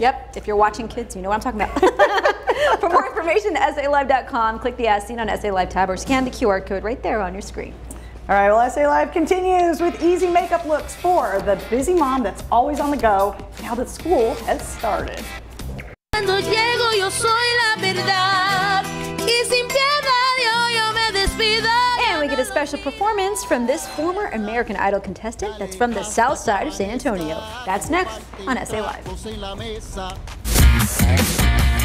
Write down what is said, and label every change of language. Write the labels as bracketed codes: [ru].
[en] Yep, if you're watching kids, you know what I'm talking about. For more information, SALive.com, click the As Seen on SA Live tab or scan the QR code right there on your screen. All right, well, SA Live continues with easy makeup looks for the busy mom that's always on the go now that school has started. [es] Cuando llego yo soy la verdad y sin piedad yo, yo me despido. [en] We get a special performance from this former American Idol contestant that's from the south side of San Antonio. That's next on SA Live.